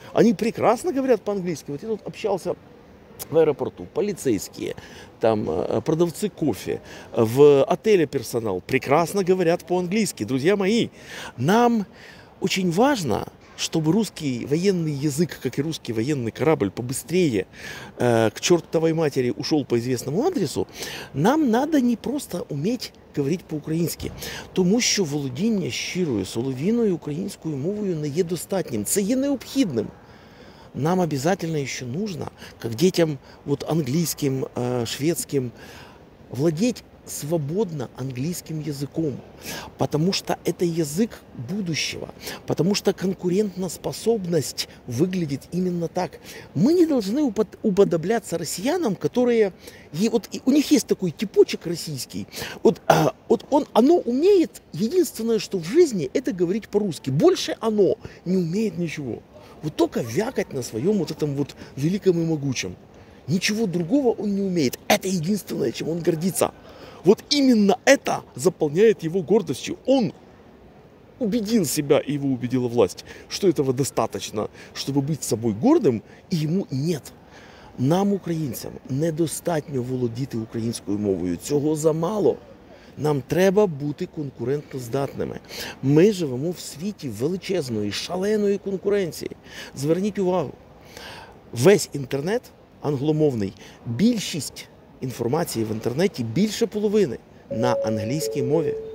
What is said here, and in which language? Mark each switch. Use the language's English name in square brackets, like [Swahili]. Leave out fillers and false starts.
[Russian] Они прекрасно говорят по-английски. Вот я тут общался... В аэропорту полицейские, там продавцы кофе, в отеле персонал прекрасно говорят по-английски. Друзья мои, нам очень важно, чтобы русский военный язык, как и русский военный корабль, побыстрее к чертовой матери ушел по известному адресу. Нам надо не просто уметь говорить по-українськи. [Ukrainian] Тому що володіння щирою соловіною українською мовою не є достатнім. Це є необхідним. [Russian] Нам обязательно еще нужно, как детям вот английским, шведским, владеть свободно английским языком. Потому что это язык будущего. Потому что конкурентоспособность выглядит именно так. Мы не должны уподобляться россиянам, которые... Вот, у них есть такой типочек российский. Вот он, оно умеет единственное, что в жизни, это говорить по-русски. Больше оно не умеет ничего. Вот только вякать на своем вот этом вот великом и могучем. Ничего другого он не умеет. Это единственное, чем он гордится. Вот именно это заполняет его гордостью. Он убедил себя, и его убедила власть, что этого достаточно, чтобы быть собой гордым, и ему нет. [Ukrainian] Нам, українцям, недостатньо володіти українською мовою. Цього замало. Нам треба бути конкурентоздатними. Ми живемо в світі величезної, шаленої конкуренції. Зверніть увагу, весь інтернет англомовний, більшість інформації в інтернеті, більше половини на англійській мові.